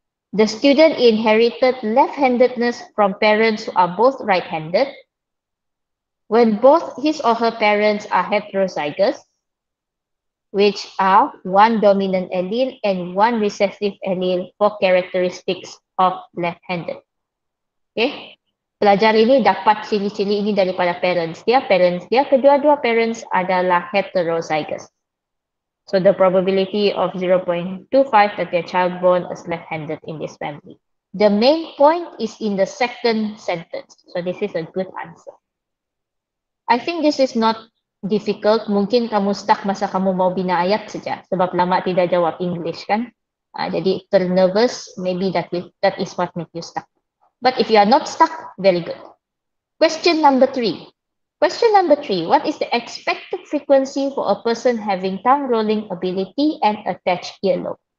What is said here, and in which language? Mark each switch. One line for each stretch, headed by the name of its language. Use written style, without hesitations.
English: The student inherited left-handedness from parents who are both right-handed. When both his or her parents are heterozygous, which are one dominant allele and one recessive allele for characteristics of left-handed.
Malay: Okay, pelajar ini dapat ciri-ciri ini daripada parents dia. Parents dia, kedua-dua parents adalah heterozygous.
English: So the probability of 0.25 that their child born is left-handed in this family. The main point is in the second sentence. So this is a good answer. I think this is not difficult.
Malay: Mungkin kamu stuck masa kamu mau bina ayat saja. Sebab lama tidak jawab English kan. Jadi ter-nervous,
English: maybe that is what make you stuck. But if you are not stuck, very good. Question number three. Question number three, what is the expected frequency for a person having tongue rolling ability and attached earlobe?